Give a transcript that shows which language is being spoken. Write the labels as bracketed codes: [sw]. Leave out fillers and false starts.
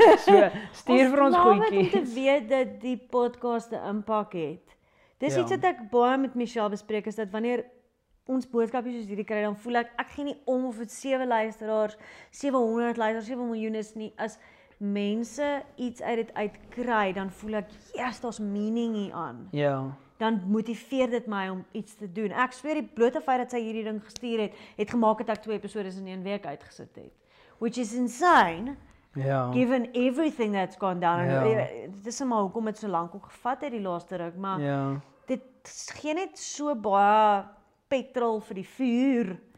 [af] So, stuur vir ons goedjies. Ons moet weet dat die podcast 'n impak het. Dis iets wat ek baie met Michelle bespreek, is dat wanneer ons boodskapjies soos hierdie kry, dan voel ek gee nie om of het 7 luisteraars, 700 luisteraars, 7 miljoen is nie, as mense iets uit dit uitkry, dan voel ek, yes, daar's meaning hier aan. Ja. Dan motiveer dit my om iets te doen. Ek sweer die blote feit dat sy hierdie ding gestuur het, het gemaak dat ek 2 episodes in 1 week uitgesit het. [en] Which is insane. [af] Ja. [en] Given everything that's gone down. [af] Ja. Dit is maar hoekom het so lank ook gevat het die laaste ruk, maar ja. Dit gee net so baie petrol vir die vuur.